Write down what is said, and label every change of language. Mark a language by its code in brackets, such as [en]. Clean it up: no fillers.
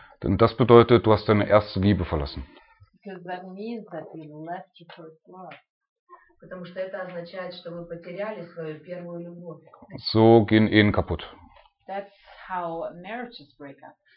[de] Denn das bedeutet, du hast deine erste Liebe verlassen. [en] Because that means that you left your first love. [ru] Потому что это означает, что вы потеряли свою первую любовь. [de] So gehen Ehen kaputt. [en] That's how marriages break up.